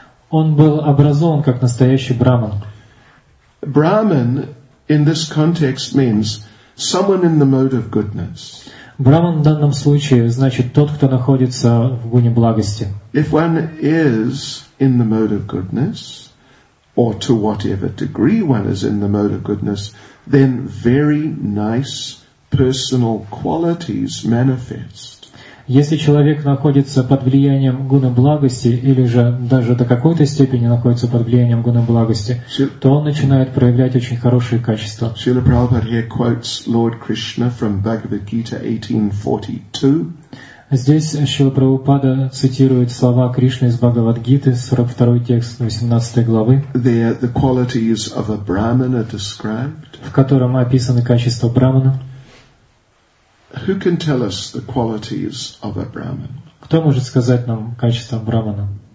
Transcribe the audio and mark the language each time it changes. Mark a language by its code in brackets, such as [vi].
[ru] Он был образован как настоящий Брахман. [en] Brahmin in this context means someone in the mode of goodness. [ru] Браман в данном случае значит тот, кто находится в гуне благости. [en] If one is in the mode of goodness, or to whatever degree one is in the mode of goodness, then very nice personal qualities manifest. [ru] Если человек находится под влиянием гуны благости, или же даже до какой-то степени находится под влиянием гуны благости, то он начинает проявлять очень хорошие качества. [en] Шрила Прабхупада here quotes Lord Krishna from Bhagavad Gita 1842. [ru] Здесь Шрила Прабхупада цитирует слова Кришны из Бхагавадгиты, 42 текст, 18 главы, [en] there the qualities of a Brahmana described, [ru] в котором описаны качества Брахмана. [en] Who can tell us the qualities of a Brahmin? [ru] Кто может сказать нам качества Брахмана?